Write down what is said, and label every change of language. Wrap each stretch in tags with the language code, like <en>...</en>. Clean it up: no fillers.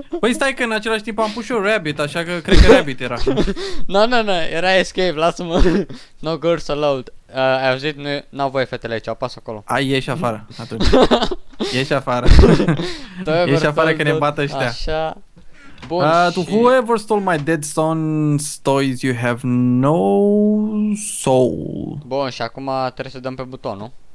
<ro>Păi stai că în același timp am pus o rabbit, așa că cred că rabbit era. No, era escape, lasă-mă.</ro> <en>No girls allowed.</en> <ro>Ai auzit? N-au voie fetele aici, apasă acolo. Ieși afară, atunci. Ieși afară. Ieși afară că ne bată ăștia. Așa.</ro> <en>Bun, to whoever stole my dead son's toys, you have no soul.</en> <ro>Bun, și acum trebuie să dăm pe buton, nu?</ro>